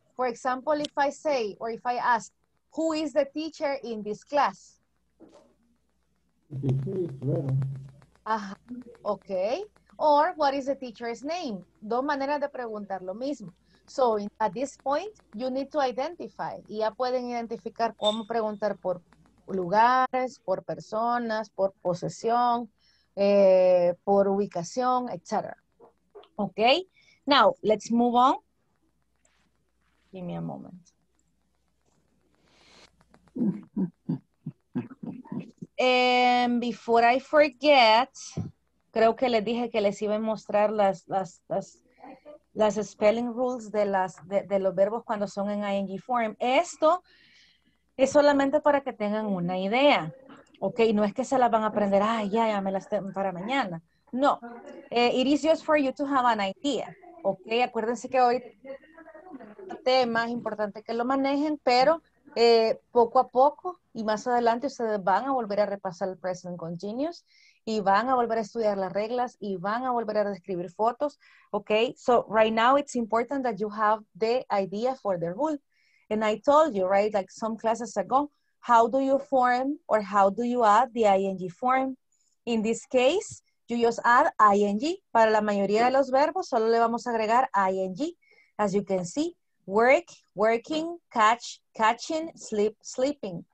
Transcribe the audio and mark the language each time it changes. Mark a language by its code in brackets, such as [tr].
[en] For example, if I say or if I ask, who is the teacher in this class? Okay. Or what is the teacher's name? [es] Dos maneras de preguntar lo mismo. [en] So at this point, you need to identify. [es] Y ya pueden identificar cómo preguntar por lugares, por personas, por posesión, por ubicación, etc. [en] Okay. Now, let's move on. Give me a moment. And before I forget, [es] creo que les dije que les iba a mostrar las spelling rules de los verbos cuando son en ing form. Esto es solamente para que tengan una idea. Okay, no es que se las van a aprender, ay, ya me las tengo para mañana. [en] No, it is just for you to have an idea. [es] Okay, acuérdense que hoy el tema es importante que lo manejen, pero poco a poco y más adelante ustedes van a volver a repasar el present continuous y van a volver a estudiar las reglas y van a volver a describir fotos. [en] Okay, so right now it's important that you have the idea for the rule. And I told you, right, like some classes ago, how do you form or how do you add the ing form? In this case, you just add ing. [es] Para la mayoría de los verbos, solo le vamos a agregar ing. [en] As you can see, work, working, catch, catching, sleep, sleeping.